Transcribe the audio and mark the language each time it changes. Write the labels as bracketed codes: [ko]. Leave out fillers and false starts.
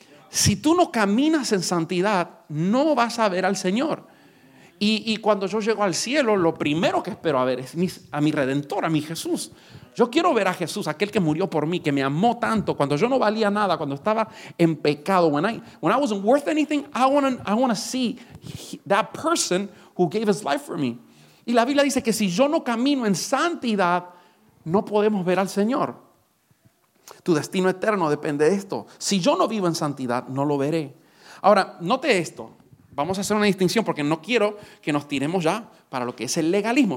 [es] Si tú no caminas en santidad, no vas a ver al Señor. Y cuando yo llego al cielo, lo primero que espero a ver es a mi Redentor, a mi Jesús. Yo quiero ver a Jesús, aquel que murió por mí, que me amó tanto, cuando yo no valía nada, cuando estaba en pecado. [en] When I wasn't worth anything, I want to see that person who gave his life for me. [es] Y la Biblia dice que si yo no camino en santidad, no podemos ver al Señor. Tu destino eterno depende de esto. Si yo no vivo en santidad, no lo veré. Ahora, note esto. Vamos a hacer una distinción porque no quiero que nos tiremos ya para lo que es el legalismo.